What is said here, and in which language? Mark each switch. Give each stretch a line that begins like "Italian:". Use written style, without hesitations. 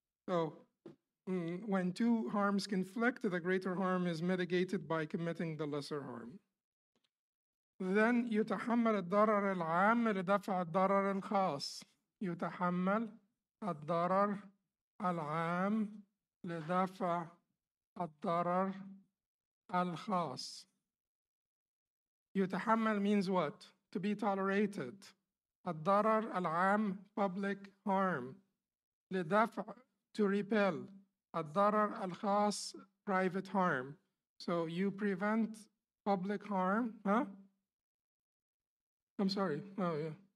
English: So when two harms conflict, the greater harm is mitigated by committing the lesser harm. Then
Arabic: يتحمل الضرر العام لدفع الضرر الخاص. يتحمل الضرر العام لدفع الضرر الخاص.
English: يتحمل means what? To be tolerated.
Arabic: الضرر العام,
English: public harm. لدفع, to repel.
Arabic: الضرر الخاص,
English: private harm. So you prevent public harm, huh? I'm sorry. Oh, yeah.